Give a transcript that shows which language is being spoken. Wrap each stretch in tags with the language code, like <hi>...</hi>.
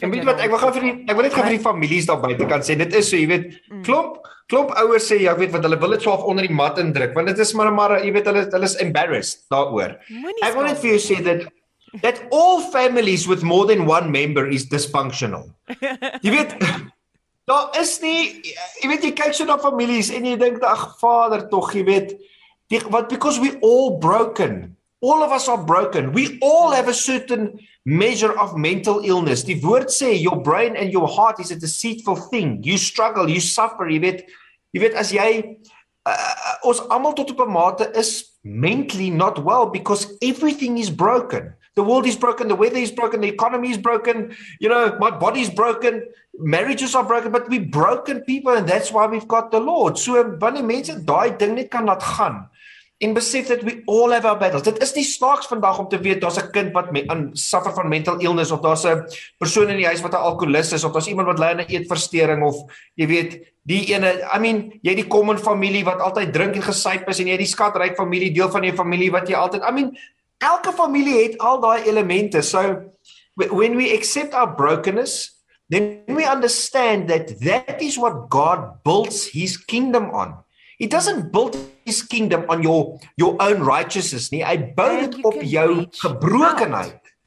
<af>wat, ek wil net gaan vir die families daar buite kan sê, dit is so, jy weet, klomp ouers sê, jy weet, want hulle wil dit so af onder die mat indruk, want dit is maar, jy weet, hulle is embarrassed daaroor. Ek wil net vir jou sê,</af> <en>that all families with more than one member is dysfunctional.</en> <af>Jy weet, daar is nie, jy weet, jy kyk so na families, en jy denk, ach, vader, toch, jy weet,</af> <en>because we all broken, all of us are broken. We all have a certain measure of mental illness.</en> <af>Die woord sê,</af> <en>your brain and your heart is a deceitful thing. You struggle, you suffer.</en> <af>Jy weet, as jy, ons allemaal tot op 'n mate is</af> <en>mentally not well, because everything is broken. The world is broken, the weather is broken, the economy is broken, you know, my body is broken, marriages are broken, but we're broken people, and that's why we've got the Lord.</en> <af>So, wanneer mense daai ding net kan laat gaan, en besef dat</af> <en>we all have our battles.</en> <af>Dit is nie snaaks vandag om te weet, daar's 'n kind wat suffer van mental illness, of daar's 'n persoon in die huis wat 'n alkoholist is, of daar's iemand wat ly aan 'n eetversteuring, of jy weet, die ene, I mean, jy het die common familie wat altyd drink en gesuip is, en jy het die skatryk familie, deel van jou familie wat jy altyd, I mean, elke familie het al daai elemente.</af> <en>So, when we accept our brokenness, then we understand that that is what God builds his kingdom on. He doesn't build his kingdom on your own righteousness nie.</en> <af>Hy bou dit op jou gebrokenheid.</af>